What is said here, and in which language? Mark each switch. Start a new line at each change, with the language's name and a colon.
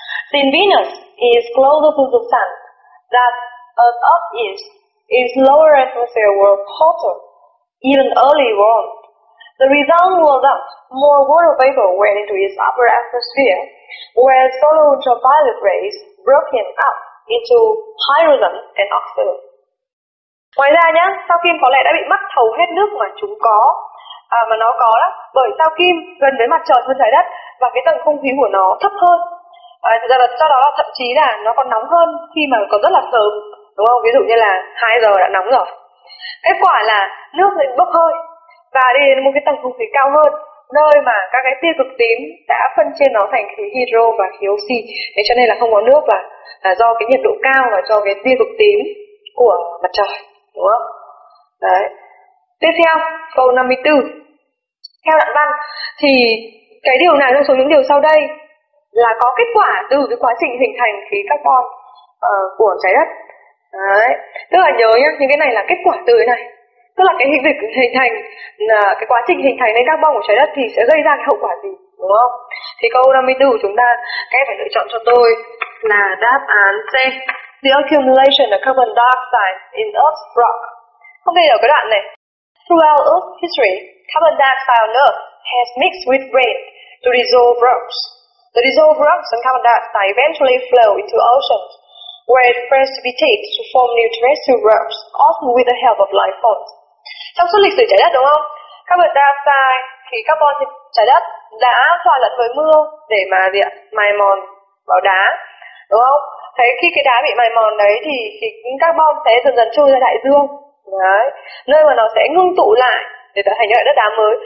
English: Since Venus is closer to the sun, that Earth is its lower atmosphere were hotter, even earlier on. The result was that more water vapor went into its upper atmosphere, whereas solar ultraviolet rays broke it up into hydrogen and oxygen.
Vietnamese: Ngoài ra nhá, sao Kim có lẽ đã bị mất hầu hết nước mà chúng có, mà nó có đó, bởi sao Kim gần với mặt trời hơn trái đất và cái tầng không khí của nó thấp hơn. Thực ra là do đó là thậm chí là nó còn nóng hơn khi mà còn rất là sớm, đúng không? Ví dụ như là 2 giờ đã nóng rồi. Kết quả là nước lại bốc hơi và đi đến một cái tầng không khí cao hơn, nơi mà các cái tia cực tím đã phân chia nó thành khí hydro và khí oxy. Thế cho nên là không có nước và là do cái nhiệt độ cao và do cái tia cực tím của mặt trời, đúng không? Đấy. Tiếp theo, câu 54. Theo đoạn văn thì cái điều này trong số những điều sau đây là có kết quả từ cái quá trình hình thành khí carbon của trái đất. Đấy. Tức là nhớ nhá, những cái này là kết quả từ cái này. Tức là cái cái quá trình hình thành nên carbon của trái đất thì sẽ gây ra cái hậu quả gì, đúng không? Thì câu 54 chúng ta các em phải lựa chọn cho tôi là đáp án C.
English: The accumulation of carbon dioxide in Earth's rock.
Vietnamese: Không nghe được cái đoạn này.
English: Throughout Earth's history, carbon dioxide on Earth has mixed with rain to dissolve rocks. The dissolved rocks and carbon dioxide eventually flow into oceans, where it precipitates to form new terrestrial rocks, often with the help of life forms.
Vietnamese: Trong suốt lịch sử trái đất, đúng không? Carbon dioxide, khí carbon trên trái đất đã hòa lẫn với mưa để mà mài mòn vào đá, đúng không? Thế khi cái đá bị mài mòn đấy thì khí carbon sẽ dần dần trôi ra đại dương, đấy, nơi mà nó sẽ ngưng tụ lại để tạo thành những đất đá mới.